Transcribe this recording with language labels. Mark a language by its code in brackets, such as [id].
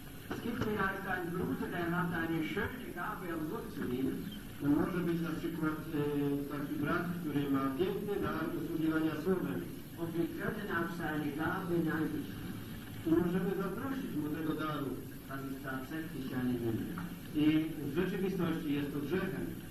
[de] Es gibt vielleicht einen Bruder, der hat eine schöne Gabe, um Gott zu dienen. [pl] Może być na przykład taki brat, który ma piękny dar usługiwania słowem. [de] Und wir können auf seine Gabe neidisch. [pl] I możemy zaprosić mu tego daru. [de] Das ist tatsächlich eine Sünde. [pl] I w rzeczywistości jest to grzechem.